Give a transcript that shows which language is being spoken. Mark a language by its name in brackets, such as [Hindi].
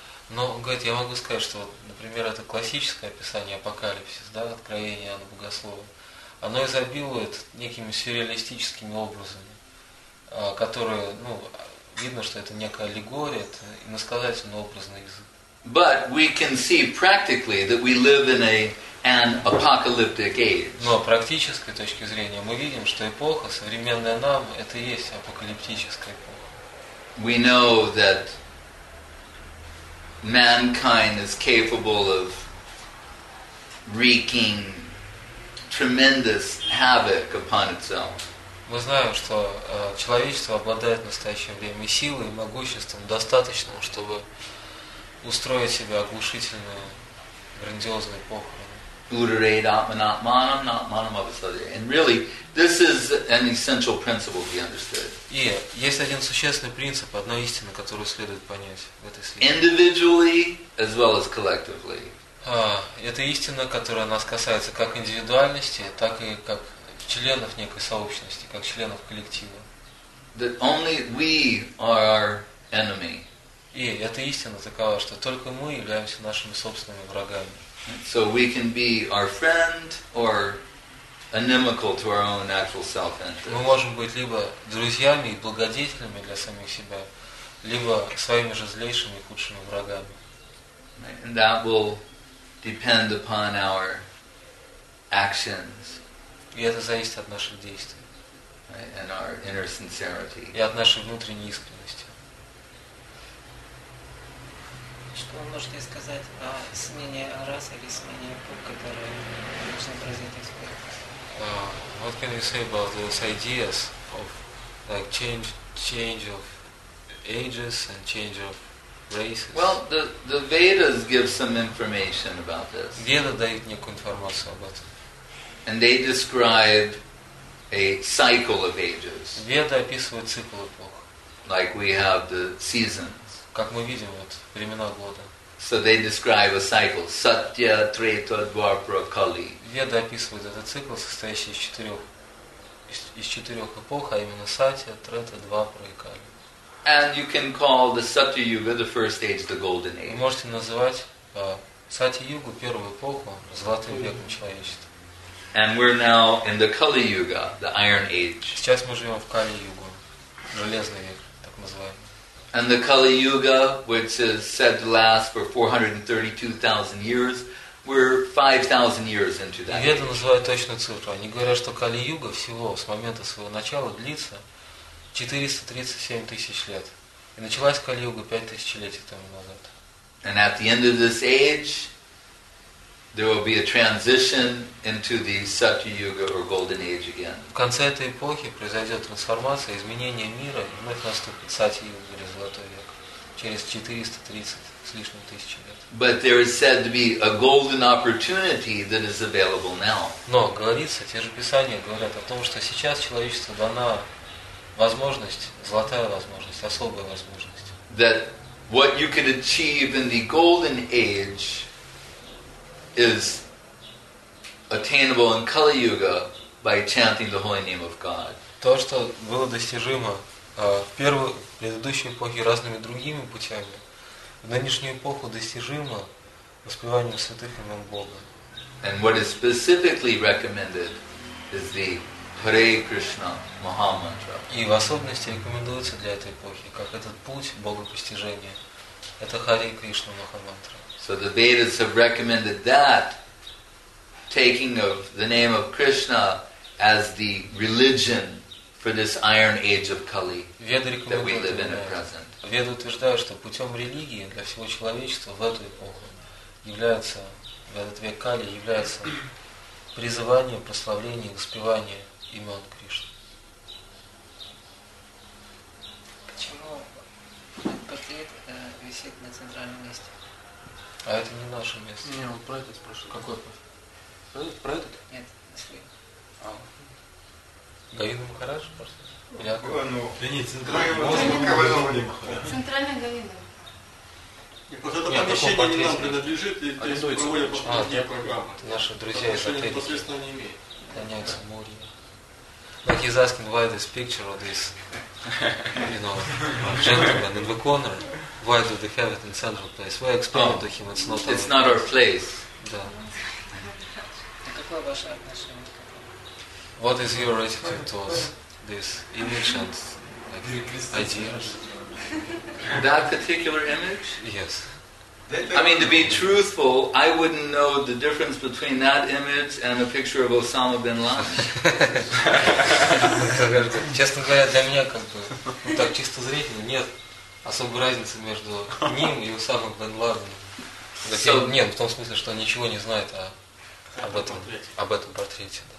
[Russian] Но, говорит, я могу сказать, что, например, это классическое описание апокалипсиса, да, откровение Иоанна Богослова. Оно изобилует некими сюрреалистическими образами, которые, ну, видно, что это некая аллегория, это иносказательный образный язык. [English] But we can see practically that we live in an apocalyptic age. [Russian] Но практической точки зрения мы видим, что эпоха современная нам это и есть апокалиптическая эпоха. [English] We know that mankind is capable of wreaking tremendous havoc upon itself. [Russian] Мы знаем, что человечество обладает в настоящее время силой и могуществом достаточным, чтобы устроить себе оглушительную, грандиозную похорону. [English] And really, this is an essential principle to be understood. [Russian] И есть один существенный принцип, одна истина, которую следует понять в этой связи. [English] Individually as well as collectively. [Russian] Это истина, которая нас касается как индивидуальности, так и как членов некой сообщности, как членов коллектива. [English] That only we are our enemy. [Russian] И эта истина такова, что только мы являемся нашими собственными врагами. [English] So we can be our friend or inimical to our own natural self-interest. [Russian] Мы можем быть либо друзьями и благодетелями для самих себя, либо своими же злейшими и худшими врагами. [English] And that will depend upon our actions. [Russian] И это зависит от наших действий. [English] And our inner sincerity. [Russian] И от нашей внутренней искренности. Что вы можете сказать о смене рас или смене эпох, которые должны произойти в мире? [English] What can you say about those ideas of like change of ages and change of races? Well, the Vedas give some information about this. [Russian] Веды дают некую информацию об этом. [English] And they describe a cycle of ages. [Russian] Веды описывают цикл эпох. [English] Like we have the season. [Russian] Как мы видим, вот времена года. [English] So they describe a cycle: Satya, Treta, Dwapara, Kali. [Russian] Веды описывают этот цикл, состоящий из четырех эпох, а именно Сатья, Трета, Двапара и Кали. [English] And you can call the Satya Yuga the first age, the golden age. [Russian] Вы можете называть Сатья Югу первую эпоху золотым веком человечества. [English] And we're now in the Kali Yuga, the Iron Age. [Russian] Сейчас мы живем в Кали Югу, железный век, так называемый. [English] And the Kali Yuga, which is said to last for 432,000 years, we're 5,000 years into that. [Russian] Веды называют точную цифру. Они говорят, что Кали Юга всего с момента своего начала длится 437 тысяч лет. И началась Кали Юга 5 тысячелетий тому назад. [English] And at the end of this age, there will be a transition into the Satya Yuga or Golden Age again. [Russian] В конце этой эпохи произойдет трансформация, изменение мира, и вновь наступит Сатья Юга или Золотой век через 430 с лишним тысяч лет. [English] But there is said to be a golden opportunity that is available now. [Russian] Но говорится, те же писания говорят о том, что сейчас человечеству дана возможность, золотая возможность, особая возможность. [English] That what you could achieve in the Golden Age is attainable in Kali Yuga by chanting the holy name of God. [Russian] То, что было достижимо в первой предыдущей эпохе разными другими путями, в нынешнюю эпоху достижимо воспеванием святых имен Бога. [English] And what is specifically recommended is the Hare Krishna Maha Mantra. [Russian] И в особенности рекомендуется для этой эпохи, как этот путь богопостижения, это Hare Krishna Maha Mantra. [English] So the Vedas have recommended that taking of the name of Krishna as the religion for this iron age of Kali that we live in at present. [Russian] Веды утверждают, что путем религии для всего человечества в эту эпоху является, в этот век Кали, является призывание, прославление, воспевание имен Кришны. Почему портрет висит на центральном месте? А это не наше место. Не, вот про этот спрашивает. Какой? Про этот? Нет, если. А. Гавина Махараджа просто? Или какой? Ну, да нет, центральный Гавина. И вот это помещение не нам принадлежит, и здесь проводят повторные программы. Это наши друзья из отеля. Непосредственно не имеет. Гоняются море. [English] Like he's asking why this picture or this, you know, gentleman in the corner, why do they have it in central place? We explain to him it's not. It's not our place. [Russian] Да. Какое ваше отношение? [English] What is your attitude towards this image and like idea? That particular image? Yes. I mean, to be truthful, I wouldn't know the difference between that image and a picture of Osama bin Laden. [Russian] Честно говоря, для меня как бы, ну так чисто зрительно, нет особой разницы между ним и Усамой бен Ладеном. Нет, в том смысле, что он ничего не знает об этом портрете.